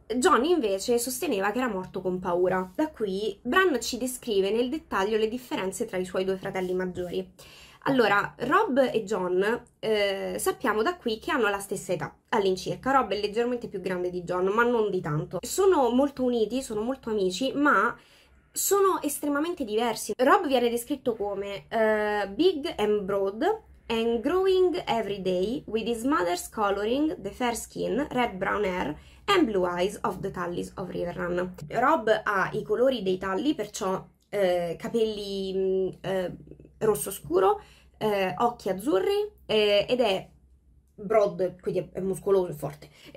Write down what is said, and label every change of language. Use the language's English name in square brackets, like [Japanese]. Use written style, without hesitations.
[Italian] John invece sosteneva che era morto con paura. Da qui Bran ci descrive nel dettaglio le differenze tra i suoi due fratelli maggiori. Allora, Rob e John sappiamo da qui che hanno la stessa età, all'incirca. Rob è leggermente più grande di John, ma non di tanto. Sono molto uniti, sono molto amici, ma sono estremamente diversi. Rob viene descritto come [English] big and broad and growing every day with his mother's coloring, the fair skin, red brown hair and blue eyes of the Tullys of Riverrun. [Italian] Rob ha i colori dei Tully, perciò capelli rosso scuro, occhi azzurri ed è broad, quindi è muscoloso e forte.